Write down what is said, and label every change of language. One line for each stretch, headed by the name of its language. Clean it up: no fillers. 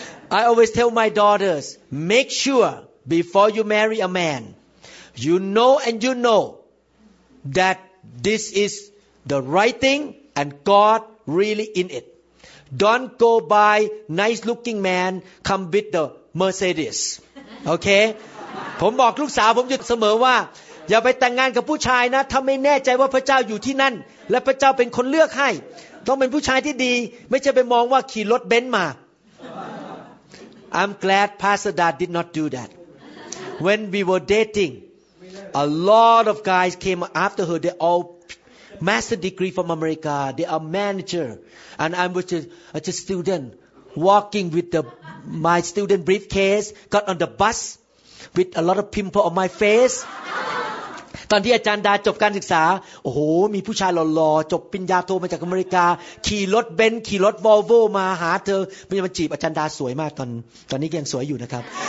English: I always tell my daughters, make sure before you marry a man, you know and you know that this is the right thing and God really in it. Don't go by nice-looking man come with the Mercedes. Okay?
Thai: ผมบอกลูกสาวผมอยู่เสมอว่าอย่าไปแต่งงานกับผู้ชายนะถ้าไม่แน่ใจว่าพระเจ้าอยู่ที่นั่นและพระเจ้าเป็นคนเลือกให้ต้องเป็นผู้ชายที่ดีไม่ใช่ไปมองว่าขี่รถเบนซ์มา
English: I'm glad Pastor Dad did not do that. When we were dating, a lot of guys came after her. They allMaster degree from America. They are manager, and I'm with a student, walking with my student briefcase. Got on the bus with a lot of pimple on my face.
Thai: ตอนที่อาจารย์ดาจบการศึกษาโอ้โหมีผู้ชายหล่อๆจบปริญญาโทมาจากอเมริกาขี่รถเบนซ์ขี่รถวอลโวมาหาเธอเพื่อมาจีบอาจารย์ดาสวยมากตอนนี้ยังสวยอยู่นะครับ